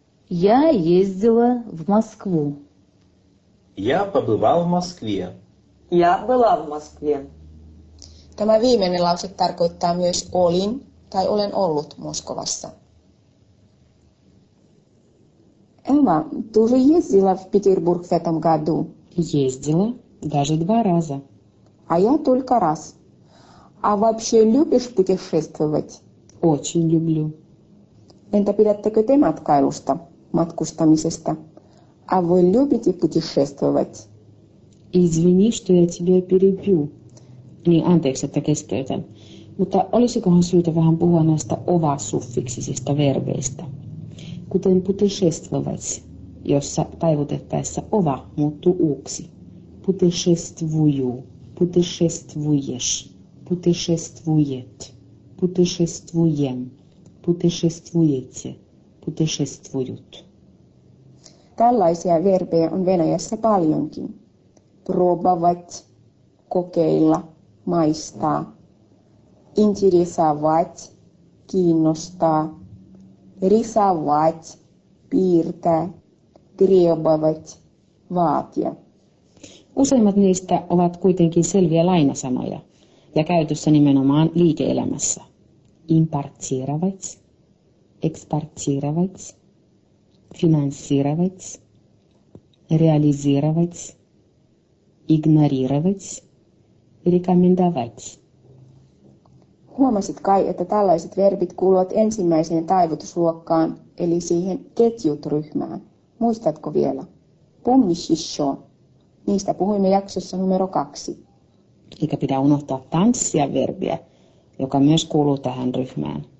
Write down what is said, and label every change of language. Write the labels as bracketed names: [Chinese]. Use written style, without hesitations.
[Russian] Я ездила в Москву. Я побывал в Москве. Я была в Москве. [Finnish] Tämä viimeinen lause tarkoittaa myös olin tai olen ollut Moskovassa. [Russian] Эмма, ты уже ездила в Петербург в этом году? Ездила, даже два раза. А я только раз. А вообще любишь путешествовать? Очень люблю. [Finnish] Entä pidättekö te matkailusta, matkustamisesta? [Russian] А вы любите путешествовать? Извини, что я тебя перебью. [Finnish] Niin, anteeksi, että keskeytän. Mutta olisikohan syytä vähän puhua näistä ova-suffiksisista verbeistä? Kuten путешествовать, jossa taivutettaessa ova muuttuu uksi. [Russian] Путешествую, путешествуешь, путешествует, путешествуем, путешествуете, путешествуют. [Finnish] Tällaisia verbejä on Venäjässä paljonkin. Пробовать, kokeilla, maistaa. [Russian] Интересовать, kiinnostaa. Рисовать, piirtää. Требовать, vaatia. [Finnish] Useimmat niistä ovat kuitenkin selviä lainasanoja ja käytössä nimenomaan liike-elämässä. [Russian] Импортировать, экспортировать, финансировать, реализировать, игнорировать, рекомендовать. [Finnish] Huomasit kai, että tällaiset verbit kuuluvat ensimmäiseen taivutusluokkaan, eli siihen ketjut-ryhmään. Muistatko vielä? [Russian] Помнишь еще? [Finnish] Niistä puhuimme jaksossa numero 2. Eikä pidä unohtaa tanssia verbiä, joka myös kuuluu tähän ryhmään.